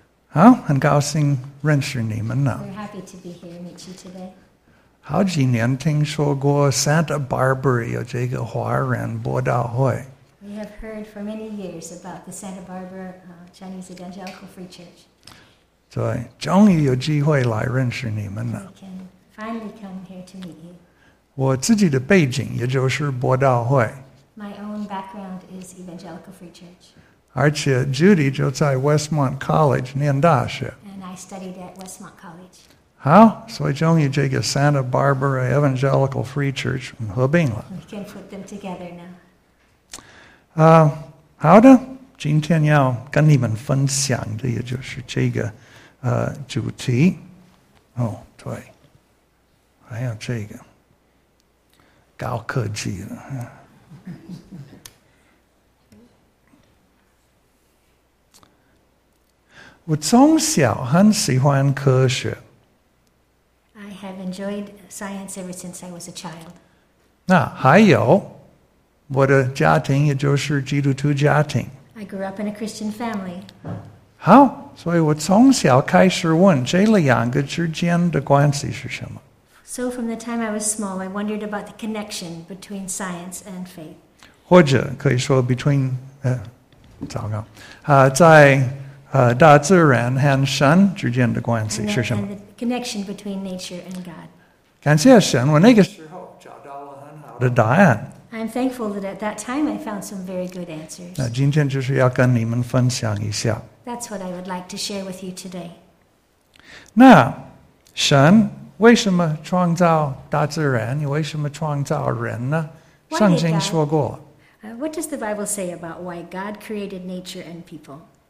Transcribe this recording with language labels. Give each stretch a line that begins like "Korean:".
Chinese: 好，很高兴认识你们了。
English: We're happy to be here, meet you today.
Chinese: 好几年听说过 Santa Barbara 有这个华人博道会。
English: We have heard for many years about the Santa Barbara Chinese Evangelical Free Church.
Chinese: 对，终于有机会来认识你们了。
English: We can finally come here to meet you.
Chinese: 我自己的背景也就是博道会。
English: My own background is Evangelical Free Church.
Chinese: 而且 Judy 就在 Westmont College 念大学。
English: And I studied at Westmont College.
Chinese: 好，所以终于这个 Santa Barbara Evangelical Free Church 合并了。
English: We can put them together now.
Chinese: 好的，今天要跟你们分享的也就是这个主题。哦，对，还有这个高科技的。我从小很喜欢科学。
English: I have enjoyed science ever since I was a child.
Chinese: 那还有。我的家庭也就是基督徒家庭。
English: I grew up in a Christian family.
Chinese: 好，所以我从小开始问这两个之间的关系是什么。
English: So from the time I was small, I wondered about the connection between science and faith.
Chinese: 或者可以说
English: between,
Chinese: 糟糕，在大自然和神之间的关系是什么。
English: And the connection between nature and God.
Chinese: 感谢神，我那个时候找到了很好的答案。
English: I'm thankful that at that time I found some very good answers.
Chinese: 那今天就是要跟你们分享一下。
English: That's what I would like to share with you today.
Chinese: 那神为什么创造大自然？为什么创造人呢？圣经说过。
English: What does the Bible say about why God created nature and people?